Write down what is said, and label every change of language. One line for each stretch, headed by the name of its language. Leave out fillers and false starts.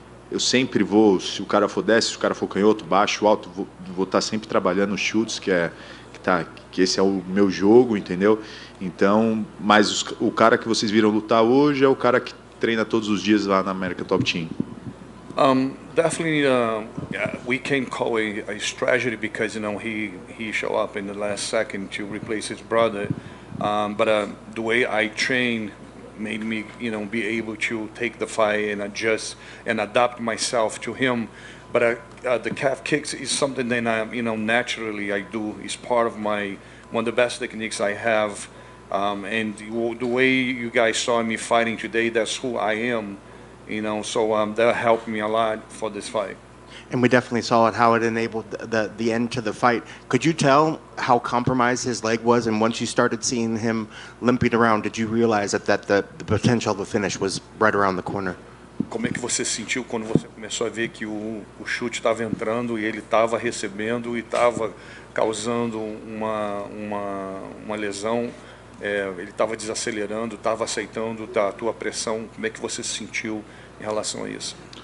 Portuguese: Eu sempre vou, se o cara for desce, se o cara for canhoto, baixo, alto, vou estar sempre trabalhando os chutes, que esse é o meu jogo, entendeu? Então, mas o cara que vocês viram lutar hoje é o cara que treina todos os dias lá na American Top Team.
English: Definitely, we can call it a strategy because, you know, he showed up in the last second to replace his brother. But the way I train made me, you know, be able to take the fight and adjust and adapt myself to him. But the calf kicks is something that I, you know, naturally I do. It's part of my one of the best techniques I have. And the way you guys saw me fighting today, that's who I am. You know, so that helped me a lot for this fight. And we definitely saw it, how it enabled the end to the fight. Could you tell how compromised his leg was? And once you started seeing him limping around, did you realize that the potential of the finish was right around the corner?
Portuguese: Como é que você sentiu quando você começou a ver que o chute estava entrando e ele estava recebendo e estava causando uma lesão? Ele estava desacelerando, estava aceitando a tua pressão. Como é que você se sentiu em relação a isso?